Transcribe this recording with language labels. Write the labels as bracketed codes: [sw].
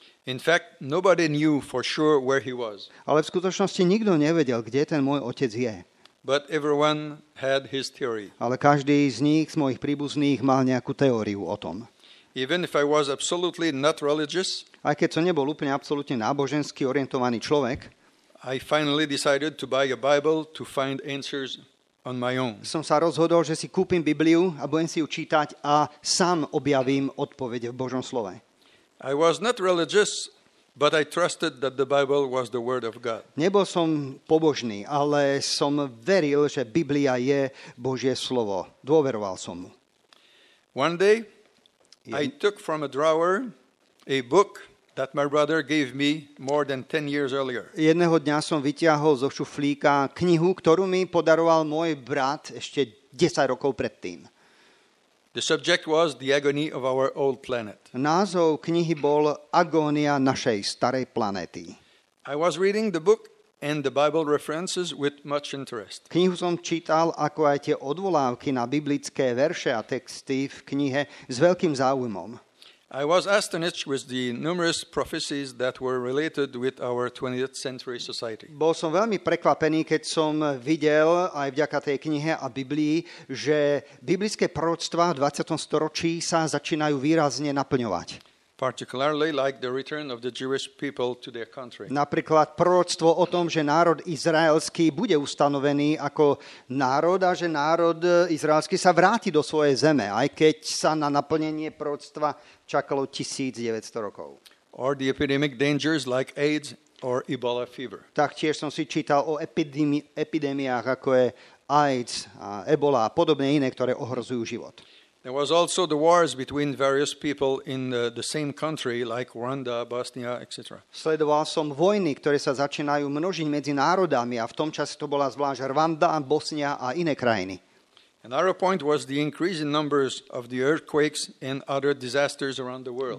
[en] In fact, nobody knew for sure where he was. [sk] Ale v skutočnosti nikto nevedel, kde ten môj otec je. [en] But everyone had his theory. [sk] Ale každý z nich, z mojich príbuzných, mal nejakú teóriu o tom. [en] Even if I was absolutely not religious, [sk] aj keď som nebol úplne absolútne nábožensky orientovaný človek, [en] I finally decided to buy a Bible to find answers on my own. [sk] Som sa rozhodol, že si kúpim Bibliu a budem si ju čítať a sám objavím odpoveď v Božom slove. [en] I was not religious, but I trusted that the Bible was the word of God. [sk] Nebol som pobožný, ale som veril, že Biblia je Božie slovo. Dôveroval som mu. [en] One day I took from a drawer a book that my brother gave me more than 10 years earlier. [sk] Jedného dňa som vytiahol zo šuflíka knihu, ktorú mi podaroval môj brat ešte 10 rokov predtým. [en] The subject was The Agony of Our Old Planet. [sk] Názov knihy bol Agónia našej starej planéty. [en] I was reading the book and the Bible references with much interest. [sk] Knihu som čítal, ako aj tie odvolávky na biblické verše a texty v knihe s veľkým záujmom. [en] I was astonished with the numerous prophecies that were related with our 20th century society. [sk] Bol som veľmi prekvapený, keď som videl aj vďaka tej knihe a Biblii, že biblické proroctvá v 20. storočí sa začínajú výrazne naplňovať. [en] Particularly like the return of the Jewish people to their country. [sk] Napríklad proroctvo o tom, že národ izraelský bude ustanovený ako národ a že národ izraelský sa vráti do svojej zeme, aj keď sa na naplnenie proroctva čakalo 1900 rokov. [en] Or the epidemic dangers like AIDS or Ebola fever. [sk] Taktiež som si čítal o epidémiách ako je AIDS a Ebola a podobné iné, ktoré ohrozujú život. [en] There was also the wars between various people in the same country like Rwanda, Bosnia, etc. [sk] Sledoval som vojny, ktoré sa začínajú množiť medzi národami a v tom čase to bola zvlášť Rwanda, Bosnia a iné krajiny. [en] Another point was the increase in numbers of the earthquakes and other disasters around the world.